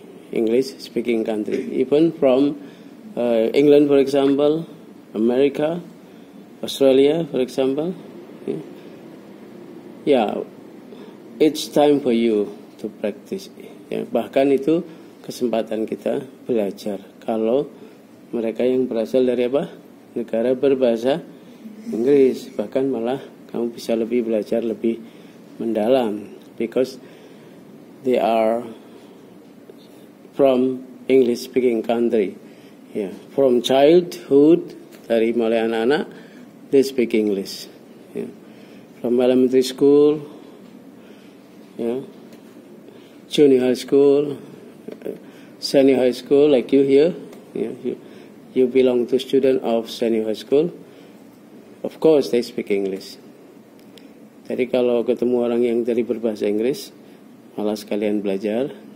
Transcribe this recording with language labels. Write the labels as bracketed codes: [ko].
[en] English-speaking country, even from England, for example, America, Australia, for example, yeah, it's time for you to practice. [id] Yeah. Bahkan itu kesempatan kita belajar. Kalau mereka yang berasal dari apa? Negara berbahasa Inggris. Bahkan malah kamu bisa lebih belajar lebih mendalam. [en] Because they are from English-speaking country. Yeah. From childhood, [id] dari mulai anak-anak, [en] they speak English. Yeah. From elementary school, yeah, junior high school, senior high school, like you here. You belong to student of senior high school. Of course, they speak English. [id] Jadi kalau ketemu orang yang dari berbahasa Inggris, malas kalian belajar.